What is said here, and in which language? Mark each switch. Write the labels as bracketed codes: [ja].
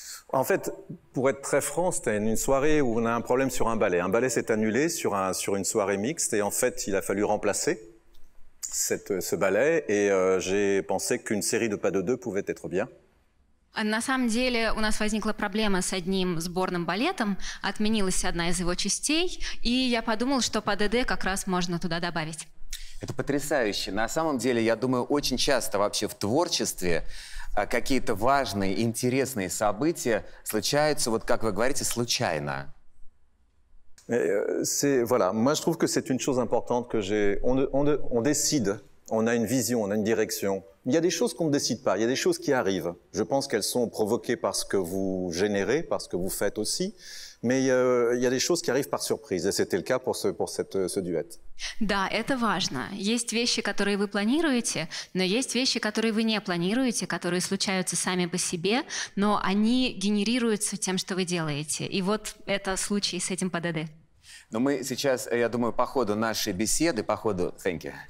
[fr] En fait, pour être très franc, c'était une soirée où on a un problème sur un ballet. Un ballet s'est annulé sur une soirée mixte et en fait, il a fallu remplacer ce ballet. Et j'ai pensé qu'une série de pas de deux pouvait être bien. [ru] На самом деле у нас возникла проблема с одним сборным балетом, отменилась одна из его частей, и я подумал, что по ДД как раз можно туда добавить. Это потрясающе. На самом деле, я думаю, очень часто вообще в творчестве какие-то важные, интересные события случаются, вот как вы говорите, случайно. [fr] C'est, voilà. Moi, je trouve que c'est une chose importante que j'ai. On décide. On a une vision, on a une direction. Il y a des choses qu'on ne décide pas. Il y a des choses qui arrivent. Je pense qu'elles sont provoquées par ce que vous générez, par ce que vous faites aussi. Mais il y a des choses qui arrivent par surprise. Et c'était le cas pour ce duet. [ru] Да, это важно. Есть вещи, которые вы планируете, но есть вещи, которые вы не планируете, которые случаются сами по себе, но они генерируются тем, что вы делаете. И вот это случай с этим ПДД. Но мы сейчас, я думаю, по ходу нашей беседы, [en] Thank you.